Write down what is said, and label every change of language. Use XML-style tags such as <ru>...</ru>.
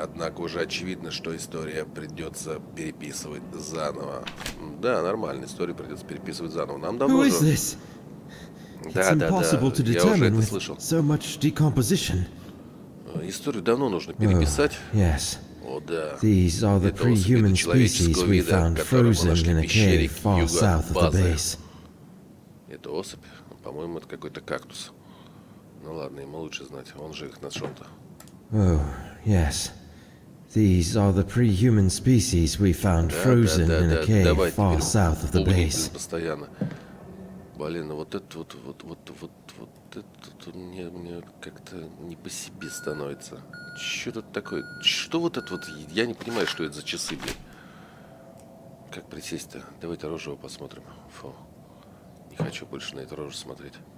<ru>Однако уже очевидно, что история придется переписывать заново. Да, нормально, историю придется переписывать заново. Нам давно уже... Да,</ru> <en>it's</en> <ru>да, да, я уже это слышал.</ru> <en>So much decomposition.</en> <ru>Историю давно нужно переписать.</ru> <en>Oh, yes. These are the pre-human species we found frozen in a cave far south of the base.</en> <ru>Это особь? По-моему, это какой-то кактус. Ну ладно, ему лучше знать, он же их нашел-то.</ru> <en>Oh, yes. These are the pre-human species we found frozen in a cave far south of the base.</en> <ru>Постоянно. Блин, вот это вот это тут мне как-то не по себе становится. Что тут такое? Что вот это вот? Я не понимаю, что это за часы, блядь. Как присесть-то? Давайте рожево посмотрим. Фу. Не хочу больше на эту рожу смотреть.</ru>